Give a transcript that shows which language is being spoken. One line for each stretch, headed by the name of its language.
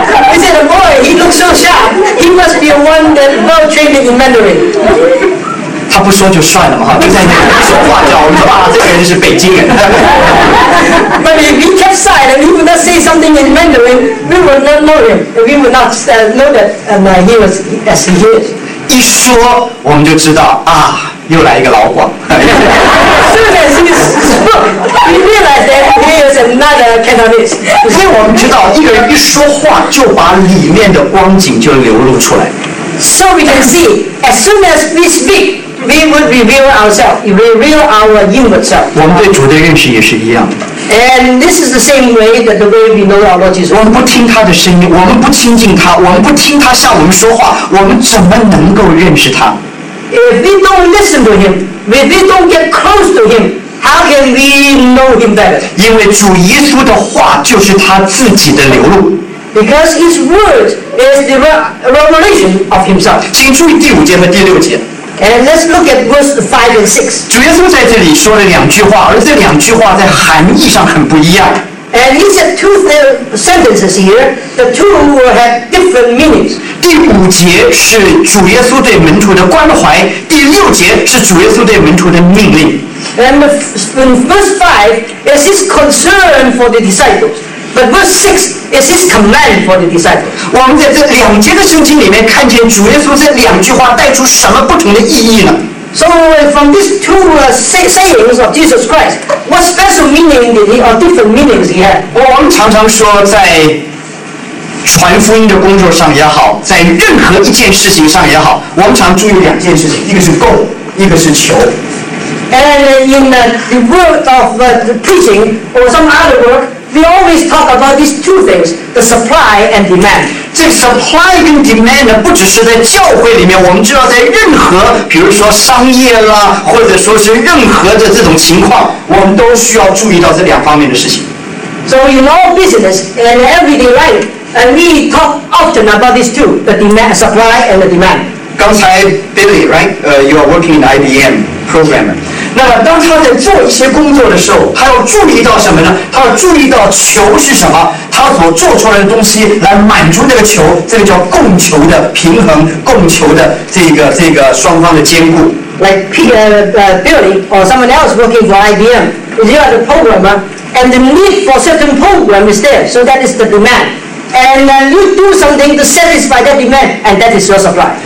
English: He said, a boy, he looks so sharp. He must be one that well trained in Mandarin.
Chinese: 他不说就算了嘛，就在那里说话，叫我们说啊，这个人是北京人。
English: But if he kept silent, he would not say something in Mandarin. We would not know him. We would not know that he was as he is.
Chinese: 一说我们就知道啊，又来一个老广。
English: We realize that he is another Cantonese.
Chinese: 所以我们知道，一个人一说话就把里面的光景就流露出来。
English: So we can see, as soon as we speak, we would reveal ourselves, reveal our inward self.
Chinese: 我们对主的认识也是一样的。
English: And this is the same way that the way we know our Lord Jesus.
Chinese: 我们不听他的声音，我们不亲近他，我们不听他向我们说话，我们怎么能够认识他？
English: If we don't listen to him, if we don't get close to him. How can we know him better?
Chinese: 因为主耶稣的话就是他自己的流露。
English: Because his word is the revelation of himself.
Chinese: 请注意第五节和第六节。
English: And let's look at verse 5 and 6.
Chinese: 主耶稣在这里说了两句话，而这两句话在含义上很不一样。
English: And he said two sentences here. The two have different meanings.
Chinese: 第五节是主耶稣对门徒的关怀，第六节是主耶稣对门徒的命令。
English: And in verse 5 is his concern for the disciples. But verse 6 is his command for the disciples.
Chinese: 我们在这两节的圣经里面看见主耶稣这两句话带出什么不同的意义呢？
English: So from these two sayings of Jesus Christ, what special meaning did he, or different meanings he had?
Chinese: 我们常常说在传福音的工作上也好，在任何一件事情上也好，我们常注意两件事情，一个是 go, 一个是求。
English: And in the work of the preaching or some other work, we always talk about these two things, the supply and demand.
Chinese: 这 supply 跟 demand 呢，不只是在教会里面，我们知道在任何，比如说商业啦，或者说是任何的这种情况，我们都需要注意到这两方面的事情。
English: So in all business and everyday life, and we talk often about these two, the demand, supply and the demand.
Chinese: 刚才
English: Billy, right? You are working in IBM, programmer.
Chinese: 那么当他在做一些工作的时候，他要注意到什么呢？他要注意到求是什么？他所做出来的东西来满足这个求，这个叫供求的平衡，供求的这个双方的兼顾。
English: Like Billy or someone else working for IBM, they are the programmer, and the need for certain program is there, so that is the demand. And you do something to satisfy that demand, and that is your supply.